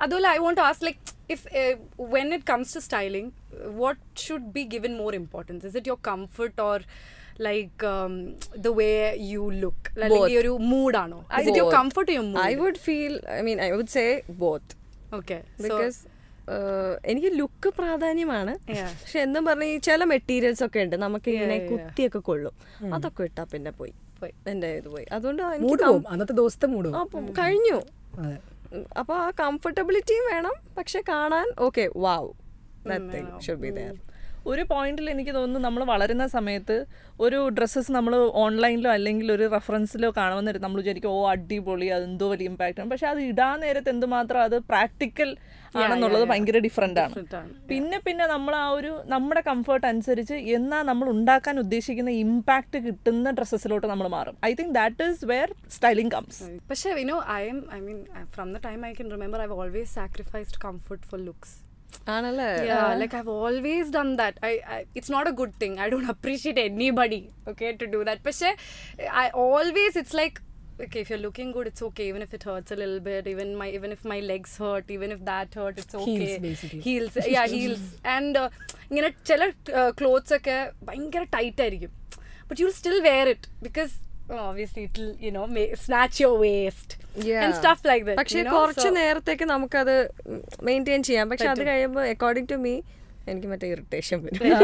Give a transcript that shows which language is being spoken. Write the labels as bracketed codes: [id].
[en] Adula, I want to ask, like, if when it comes to styling, what should be given more importance? Is it your comfort or like the way you look, like both. Your mood aano. Is both. It your comfort or your mood? I would feel, I mean, I would say both. Okay. Because so, [ml] എനിക്ക് look പ്രാധാന്യമാണ്. [en] Yeah. [ml] പക്ഷെ എന്നും പറഞ്ഞ ചില materials ഒക്കെ ഉണ്ട് നമുക്ക് ഇങ്ങനെ [en] yeah, yeah. [ml] കുത്തിയൊക്കെ കൊള്ളും. Hmm. അതൊക്കെ ഇട്ടാ പിന്നെ പോയി എന്റെ ഇത് പോയി. അതുകൊണ്ട് മൂഡ് പോവും, അന്നത്തെ ദിവസത്തെ മൂഡ് പോവും. അപ്പം കഴിഞ്ഞു. അപ്പൊ ആ കംഫർട്ടബിലിറ്റിയും വേണം, പക്ഷെ കാണാൻ [en] Okay wow that should be there. [ml] ഒരു പോയിന്റിൽ എനിക്ക് തോന്നുന്നു നമ്മൾ വളരുന്ന സമയത്ത് ഒരു ഡ്രസ്സസ് നമ്മൾ ഓൺലൈനിലോ അല്ലെങ്കിൽ ഒരു റെഫറൻസിലോ കാണുമെന്നിരുന്നു നമ്മൾ വിചാരിക്കും ഓ അടിപൊളി അതെന്തോ വലിയ ഇമ്പാക്റ്റ് ആണ്. പക്ഷെ അത് ഇടാൻ നേരത്തെ എന്തുമാത്രം അത് പ്രാക്ടിക്കൽ ആണെന്നുള്ളത് ഭയങ്കര [en] different [ml] ആണ്. പിന്നെ പിന്നെ നമ്മൾ ആ ഒരു നമ്മുടെ കംഫർട്ട് അനുസരിച്ച് എന്നാ നമ്മൾ ഉണ്ടാക്കാൻ ഉദ്ദേശിക്കുന്ന ഇമ്പാക്ട് കിട്ടുന്ന ഡ്രസ്സസിലോട്ട് നമ്മൾ മാറും. [en] I think that is where styling comes. പക്ഷേ you know I am I mean from the time I can remember I have always sacrificed comfort for looks. Yeah, like I've always done that. I it's not a good thing. I don't appreciate anybody, okay, to do that. But I always, it's like, okay, if you're looking good, it's okay, even if it hurts a little bit, even if my legs hurt, even if that hurt, it's okay. Heels, basically. Heels, yeah, heels. And you know, [ml] chella clothes okke bayangara tight irikum, [en] but you'll still wear it because obviously it'll, you know, snatch your waist. Yeah. And stuff like that. [ml] പക്ഷേ കുറച്ച് നേരത്തേക്ക് നമുക്ക് അത് maintain ചെയ്യാം. പക്ഷെ അത് കഴിയുമ്പോൾ [en] according to me [ml] എനിക്ക് മറ്റേ ഇറിറ്റേഷൻ വരും.